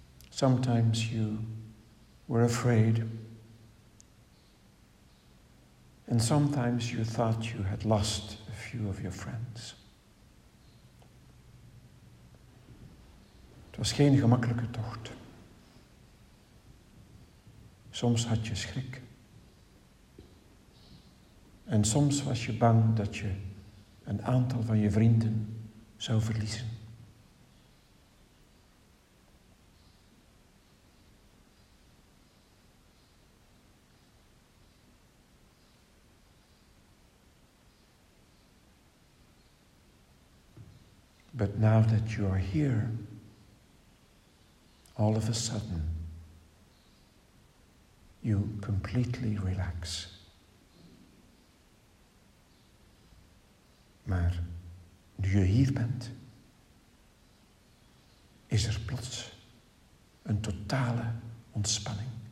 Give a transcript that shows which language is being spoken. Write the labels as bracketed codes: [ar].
[en] Sometimes you were afraid, and sometimes you thought you had lost a few of your friends. [nl] Het was geen gemakkelijke tocht. Soms had je schrik, en soms was je bang dat je een aantal van je vrienden zou verliezen. [en] But now that you are here, all of a sudden, you completely relax. [nl] Maar nu je hier bent, is er plots een totale ontspanning.